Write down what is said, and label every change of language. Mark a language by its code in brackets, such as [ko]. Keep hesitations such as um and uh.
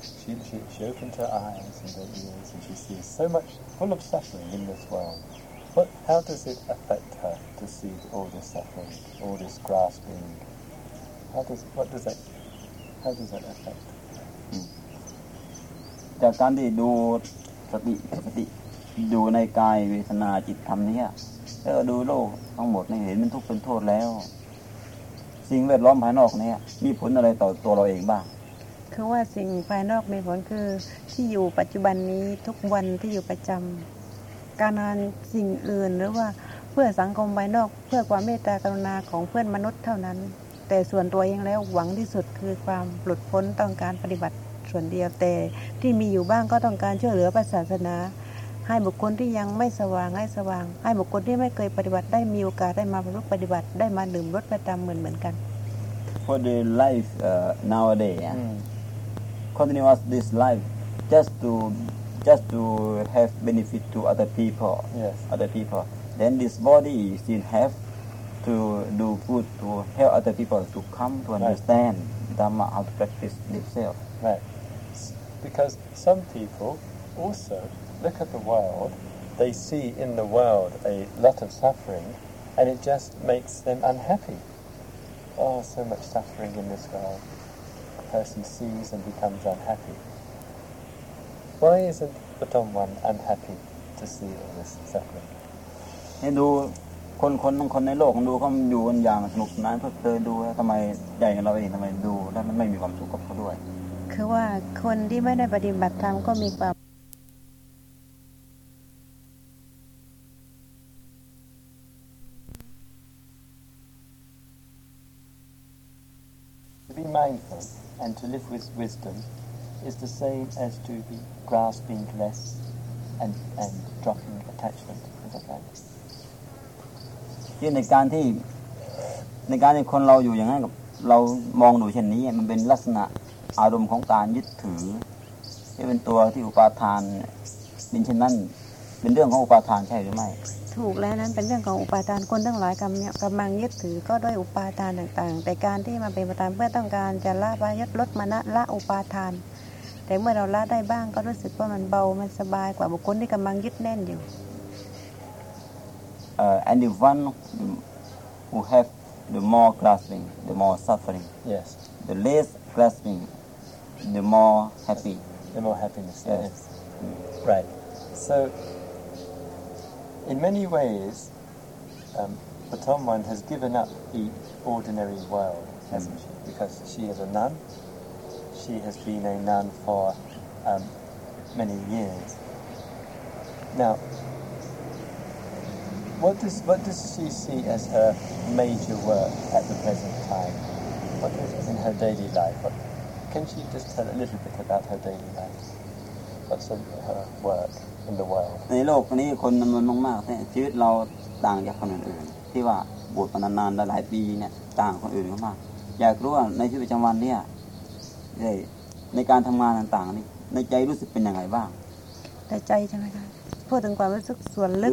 [en] She, she, she opens her eyes and her ears and she sees so much full of suffering in this world. What, how does it affect her to see all this suffering, all this grasping? How does, what does that, how does that affect [th] จากการที่ดูสติสติดูในกายเวทนาจิตธรรมเนี้ยแล้วดูโลกทั้งหมดเนี่ยเห็นมันทุกข์เป็นโทษแล้ว สิ่งแวดล้อมภายนอกเนี่ยมีผลอะไรต่อตัวเราเองบ้าง คือว่าสิ่งภายนอกมีผลคือที่อยู่ปัจจุบันนี้ทุกวันที่อยู่ประจำการงานสิ่งอื่นหรือว่าเพื่อสังคมภายนอก เพื่อความเมตตากรุณาของเพื่อนมนุษย์เท่านั้น แต่ส่วนตัวเองแล้วหวังที่สุดคือความหลุดพ้นต้องการปฏิบัติส่วนเดียวแต่ที่มีอยู่บ้างก็ต้องการช่วยเหลือพระศาสนา ให้บุคคลที่ยังไม่สว่างให้สว่าง ให้บุคคลที่ไม่เคยปฏิบัติได้มีโอกาสได้มาประพฤติปฏิบัติได้มาดื่มรสประจำเหมือนเหมือนๆกัน [en] for the life uh, nowadays yeah? Mm. continuous this life just to just to have benefit to other people Yes. other people then this body still have to do good to help other people to come to understand dhamma how to practice themselves Right. S- Because some people also look at the world, they see in the world a lot of suffering, and it just makes them unhappy. Oh, so much suffering in this world. The person sees and becomes unhappy. Why isn't the dumb one unhappy to see all this suffering? [th] ให้ดูคนคนบางคนในโลกดูเขาดูกันอย่างสนุกสนานเพลิดเพลินดูแล้วทำไมใหญ่อย่างเราเองทำไมดูแล้วมันไม่มีความสุขกับเขาด้วย คือว่าคนที่ไม่ได้ปฏิบัติธรรมก็มีความ [en] To be mindful and to live with wisdom is the same as to be grasping less and, and dropping attachment. Is that right? [th] ที่ในการที่ในการที่คนเราอยู่อย่างนั้นกับเรามองดูเช่นนี้ มันเป็นลักษณะอารมณ์ของการยึดถือ ที่เป็นตัวที่อุปาทานเป็นเช่นนั้นเป็นเรื่องของอุปาทานใช่หรือไม่ ถูกแล้วนั้นเป็นเรื่องของอุปาทานคนทั้งหลายกำเนี่ยกำลังยึดถือก็ด้วยอุปาทานต่างๆ แต่การที่มาเป็นประธานเพื่อต้องการจะละปายศลดมานะละอุปาทาน แต่เมื่อเราละได้บ้างก็รู้สึกว่ามันเบามันสบายกว่าบุคคลที่กำลังยึดแน่นอยู่ [en] uh, anyone who have the more grasping the more suffering Yes, the less grasping the more happy the more happiness. Yes. Right. So, in many ways, um, the Tom one has given up the ordinary world, hasn't she? Because she is a nun. She has been a nun for um, many years. Now, what does what does she see as her major work at the present time? What is in her daily life? What, can she just tell a little bit about her daily life? What's her, her work in the world? [th] ในโลกนี้คนจำนวนมากๆเนี่ยชีวิตเราต่างจากคนอื่นๆที่ว่าบวชมานานๆหลายๆปีเนี่ยต่างคนอื่นมากๆอยากรู้ว่าในชีวิตประจำวันเนี่ยได้ในการทำงานต่างๆนี่ในใจรู้สึกเป็นยังไงบ้าง แต่ใจใช่ไหมคะพูดถึงความรู้สึกส่วนลึก